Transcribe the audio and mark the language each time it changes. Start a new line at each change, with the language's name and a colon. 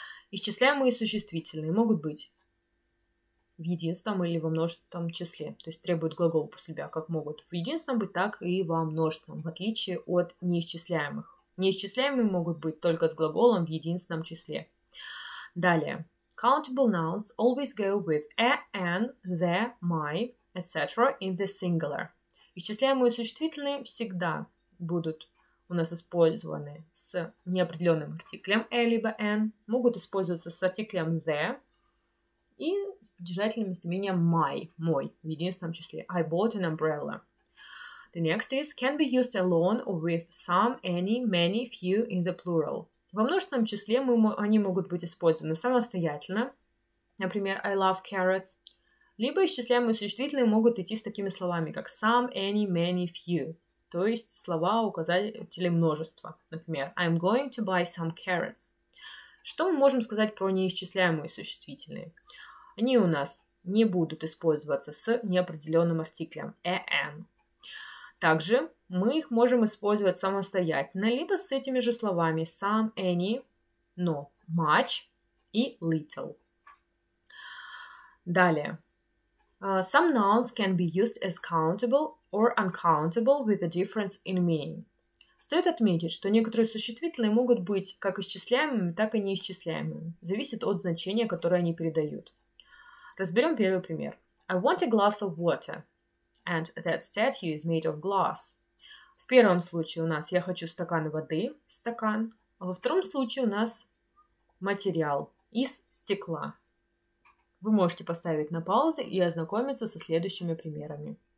Russian: Исчисляемые существительные могут быть в единственном или во множественном числе. То есть требует глагол после себя, как могут в единственном быть, так и во множественном, в отличие от неисчисляемых. Неисчисляемые могут быть только с глаголом в единственном числе. Далее.
English: Countable nouns always go with a, an, the, my, etc. in the singular.
Russian: Исчисляемые существительные всегда будут у нас использованы с неопределенным артиклем a либо an, могут использоваться с артиклем the, и с держательным местоимением my, мой, в единственном числе.
English: I bought an umbrella. The next is can be used alone or with some, any, many, few in the plural.
Russian: Во множественном числе они могут быть использованы самостоятельно. Например,
English: I love carrots.
Russian: Либо исчисляемые существительные могут идти с такими словами, как some, any, many, few. То есть слова указатели множества. Например,
English: I'm going to buy some carrots.
Russian: Что мы можем сказать про неисчисляемые существительные? Они у нас не будут использоваться с неопределенным артиклем an. Также мы их можем использовать самостоятельно, либо с этими же словами some, any, no, much и little. Далее.
English: Some nouns can be used as countable or uncountable with a difference in meaning.
Russian: Стоит отметить, что некоторые существительные могут быть как исчисляемыми, так и неисчисляемыми. Зависит от значения, которое они передают. Разберем первый пример.
English: I want a glass of water, and that statue is made of glass.
Russian: В первом случае у нас я хочу стакан воды, стакан. А во втором случае у нас материал из стекла. Вы можете поставить на паузу и ознакомиться со следующими примерами.